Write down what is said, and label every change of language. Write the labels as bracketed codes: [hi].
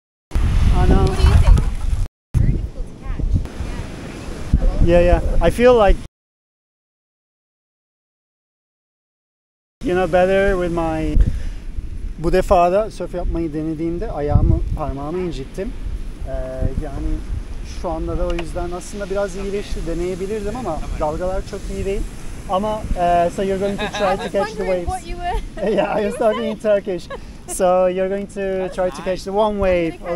[en] What do you think? Very difficult to catch. Yeah, yeah. I feel like, you know, better with my. [tr] Bu defa da surf yapmayı denediğimde ayağımı, parmağımı incittim. Yani şu anda da o yüzden aslında biraz iyileşti. Deneyebilirdim ama dalgalar çok iyi değil. Ama [en] so you're going to try to catch the waves. Yeah, I was talking in Turkish. So you're going to try to catch the one wave.